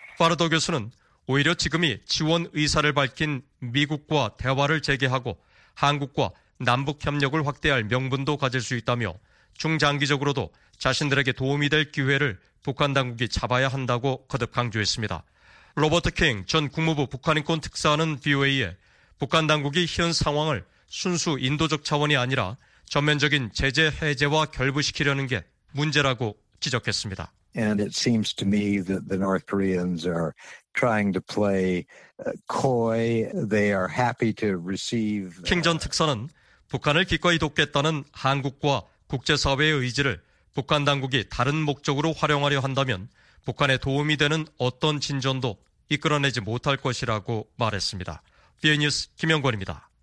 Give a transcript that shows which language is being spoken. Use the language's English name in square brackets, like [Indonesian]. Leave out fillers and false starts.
[Korean] 파르도 교수는 오히려 지금이 지원 의사를 밝힌 미국과 대화를 재개하고 한국과 남북 협력을 확대할 명분도 가질 수 있다며 중장기적으로도 자신들에게 도움이 될 기회를 북한 당국이 잡아야 한다고 거듭 강조했습니다. 로버트 킹 전 국무부 북한인권 특사는 VOA에 북한 당국이 현 상황을 순수 인도적 차원이 아니라 전면적인 제재 해제와 결부시키려는 게 문제라고 지적했습니다. [English] And it seems to me that the North Koreans are trying to play coy. They are happy to receive. [Korean] 킹 전 특사는 북한을 기꺼이 돕겠다는 한국과 국제사회의 의지를 북한 당국이 다른 목적으로 활용하려 한다면 북한에 도움이 되는 어떤 진전도 이끌어내지 못할 것이라고 말했습니다. VN 뉴스 김영권입니다.